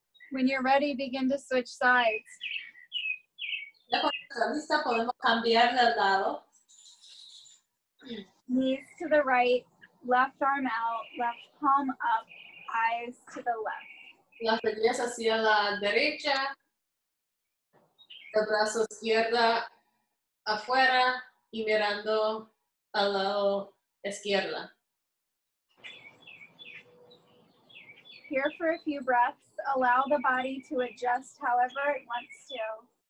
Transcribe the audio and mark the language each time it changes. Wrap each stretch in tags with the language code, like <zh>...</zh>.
<en>When you're ready, begin to switch sides.</en> <es>Ya cuando estás lista, podemos cambiar de lado.</es> <en>Knees to the right, left arm out, left palm up, eyes to the left.</en> <es>Las rodillas hacia la derecha, el brazo izquierdo afuera y mirando al lado izquierdo.</es> <en>Here for a few breaths, allow the body to adjust however it wants to.</en>